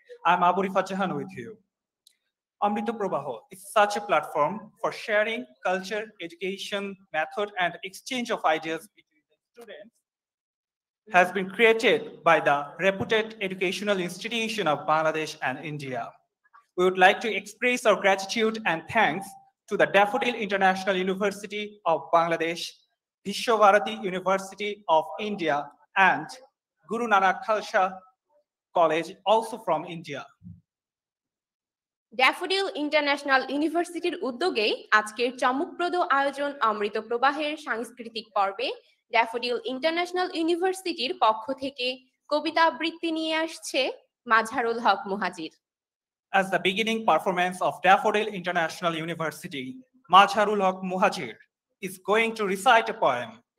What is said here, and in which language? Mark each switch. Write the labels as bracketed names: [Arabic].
[English] I am Aburi Fazahan with you. Amrita Prabaha is such a platform for sharing culture, education method and exchange of ideas between the students has been created by the reputed educational institution of Bangladesh and India. We would like to express our gratitude and thanks to the Daffodil International University of Bangladesh, Vishwabharati University of India, and Guru Nanak Khalsa College, also from India. [Bangla] Daffodil international ইউনিভার্সিটির উদ্যোগে আজকের চমকপ্রদ আয়োজন অমৃত প্রবাহের সাংস্কৃতিক পর্বে daffodil international ইউনিভার্সিটির পক্ষ থেকে কবিতা আবৃত্তি নিয়ে আসছে মাজহারুল হক মুহাজির। [English] As the beginning performance of Daffodil International University, Mazharul Haq Muhajir is going to recite a poem.